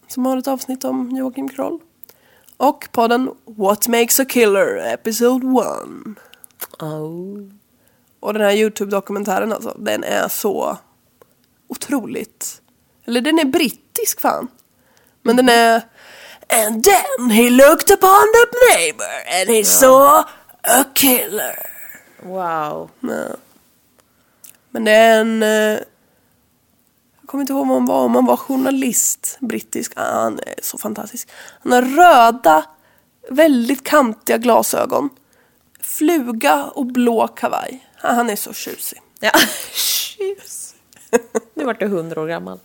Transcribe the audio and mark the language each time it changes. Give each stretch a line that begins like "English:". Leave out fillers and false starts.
Swedish: som har ett avsnitt om Joakim Kroll. Och podden What Makes a Killer, Episode 1. Oh. Och den här YouTube-dokumentären, alltså, den är så otroligt. Eller den är brittisk, fan. Men den är...
English: And then he looked upon the neighbor and he saw a killer. Wow.
Swedish: Ja. Men det är en... Jag kommer inte ihåg vad han var. Om han var journalist, brittisk. Ja, han är så fantastisk. Han har röda, väldigt kantiga glasögon. Fluga och blå kavaj. Ja, han är så tjusig. Ja, tjusig. Nu var du 100 år gammal.